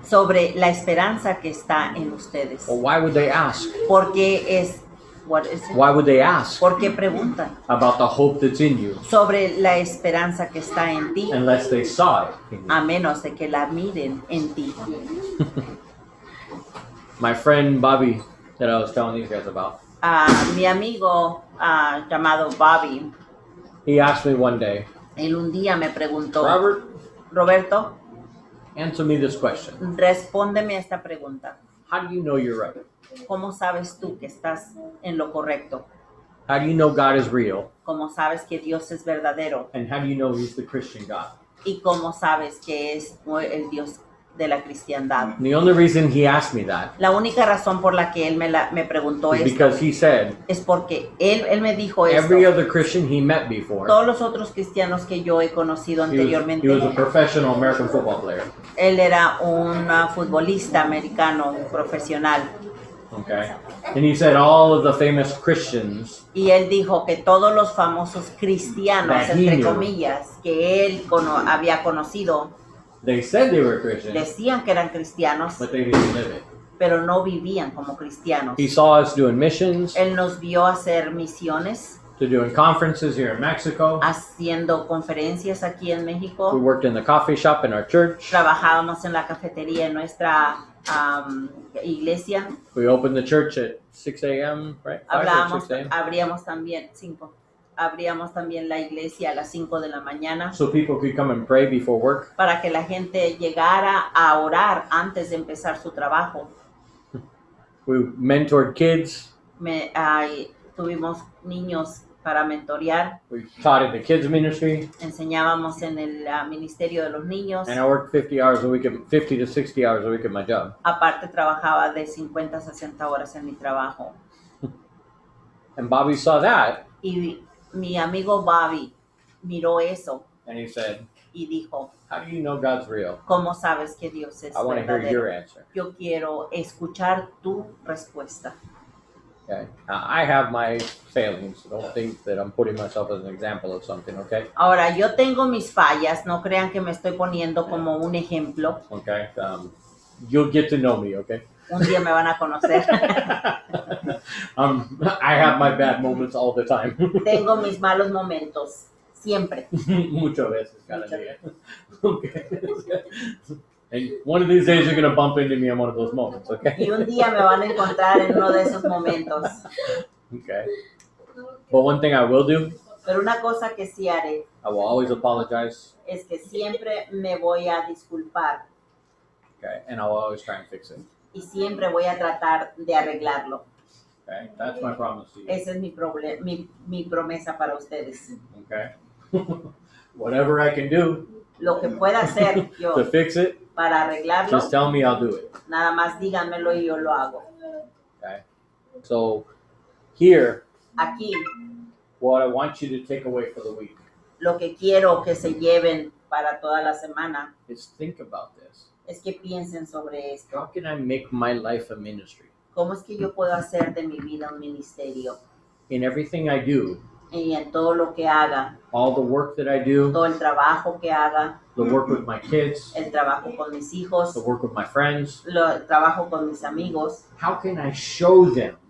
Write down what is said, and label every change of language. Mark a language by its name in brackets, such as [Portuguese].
[Spanish] Sobre la esperanza que está en ustedes. [English] Well, why would they ask? [Spanish] Porque es. [English] What is it? Why would they ask? [Spanish] Porque preguntan. [English] About the hope that's in you. [Spanish] Sobre la esperanza que está en ti. [English] Unless they saw it in you. [Spanish] A menos de que la miren en ti. [English] My friend Bobby, that I was telling these guys about. [Spanish] Mi amigo llamado Bobby. [English] He asked me one day. [Spanish] Él un día me preguntó. [English] Roberto. Answer me this question. [Spanish] Respóndeme esta pregunta. [English] How do you know you're right? [Spanish] ¿Cómo sabes tú que estás en lo correcto? [English] How do you know God is real? [Spanish] ¿Cómo sabes que Dios es verdadero? [English] And how do you know he's the Christian God? [Spanish] ¿Y cómo sabes que es el Dios de la cristiandad. [English] The only reason he asked me that. [Spanish] La única razón por la que él me preguntó esto. [English] Because he said. [Spanish] Es porque él me dijo esto. [English] Every other Christian he met before. [Spanish] Todos los otros cristianos que yo he conocido anteriormente. [English] He was a professional American football player. [Spanish] Él era un futbolista americano profesional. [English] Okay. And he said all of the famous Christians. [Spanish] Y él dijo que todos los famosos cristianos, entre comillas, que él había conocido. [English] They said they were Christians. [Spanish] Decían que eran cristianos. [English] But they didn't live it. [Spanish] Pero no vivían como cristianos. [English] He saw us doing missions. [Spanish] Él nos vio hacer misiones. [English] To doing conferences here in Mexico. [Spanish] Haciendo conferencias aquí en México. [English] We worked in the coffee shop in our church. [Spanish] Trabajábamos en la cafetería en nuestra iglesia. [English] We opened the church at 6 a.m., right? [Spanish] Hablábamos, abríamos también, 5. Abríamos también la iglesia a las 5 de la mañana. [English] So people could come and pray before work. [Spanish] Para que la gente llegara a orar antes de empezar su trabajo. [English] We mentored kids. [Spanish] Tuvimos niños para mentorear. [English] We taught in the kids ministry. [Spanish] Enseñábamos en el ministerio de los niños. [English] And I worked 50 hours a week, 50 to 60 hours a week at my job. [Spanish] Aparte trabajaba de 50 a 60 horas en mi trabajo. [English] And Bobby saw that. [Spanish] Y mi amigo Bobby miró eso. [English] And he said, [Spanish] y dijo, [English] how do you know God's real? [Spanish] ¿Cómo sabes que Dios es verdadero? [English] I want to hear your answer. [Spanish] Yo quiero escuchar tu respuesta. [English] Okay. I have my failings. Don't think that I'm putting myself as an example of something, okay? [Spanish] Ahora, yo tengo mis fallas. No crean que me estoy poniendo como un ejemplo. [English] Okay. You'll get to know me, okay? [Spanish] Un día me van a conocer. [English] I have my bad moments all the time. [Spanish] Tengo mis malos momentos. Siempre. Muchas veces, cada día. Okay. [English] And one of these days you're going to bump into me in one of those moments, okay? [Spanish] Y un día me van a encontrar en uno de esos momentos. [English] Okay. But one thing I will do. [Spanish] Pero una cosa que sí haré. [English] I will always apologize. [Spanish] Es que siempre me voy a disculpar. [English] Okay, and I'll always try and fix it. [Spanish] Y siempre voy a tratar de arreglarlo. [English] Okay, that's my promise to you. [Spanish] Esa es mi promesa para ustedes. [English] Okay. Whatever I can do. [Spanish] Lo que pueda hacer yo. [English] To fix it. [Spanish] Para arreglarlo. [English] Just tell me, I'll do it. [Spanish] Nada más díganmelo y yo lo hago. [English] Okay. So, here. [Spanish] Aquí. [English] What I want you to take away for the week. [Spanish] Lo que quiero que se lleven para toda la semana. [English] Is think about this. [Spanish] Es que piensen sobre esto. [English] How can I make my life a ministry? [Spanish] ¿Cómo es que yo puedo hacer de mi vida un ministerio? [English] In everything I do. [Spanish] Y en todo lo que haga. [English] All the work that I do. [Spanish] Todo el trabajo que haga. [English] The work with my kids. [Spanish] El trabajo con mis hijos. [English] The work with my friends. [Spanish] El trabajo con mis amigos. [English] How can I show them?